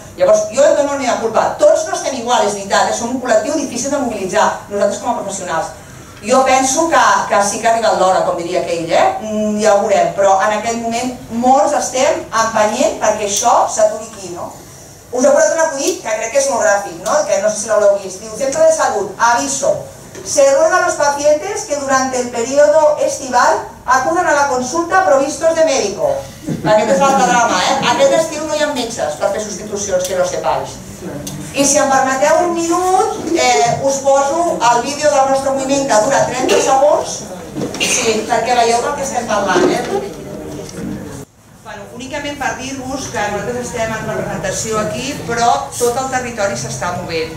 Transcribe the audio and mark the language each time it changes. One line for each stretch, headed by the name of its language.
Catalan: Llavors, jo et dono la meva culpa. Tots no estem igual, és veritat, som un col·lectiu difícil de mobilitzar, nosaltres com a professionals. Jo penso que sí que ha arribat l'hora, com diria aquell, eh? Ja ho veurem, però en aquest moment molts estem empenyent perquè això s'aturi aquí, no? Us heu portat un acudit que crec que és molt gràfic, no? Que no sé si l'heu vist. Diu, centre de salut, aviso.
Spanish: Se ruega a los pacientes que durante el periodo estival acuden a la consulta provistos de médico.
Catalan: Aquest és l'altre drama, eh? Aquest estiu no hi ha metges per fer substitucions,
Spanish: que no sepais.
Catalan: I si em permeteu un minut, us poso el vídeo del nostre moviment que dura 30 segons, sí, perquè veieu del que estem parlant, eh? Bueno, únicament per dir-vos que nosaltres estem en representació aquí, però tot el territori s'està movent.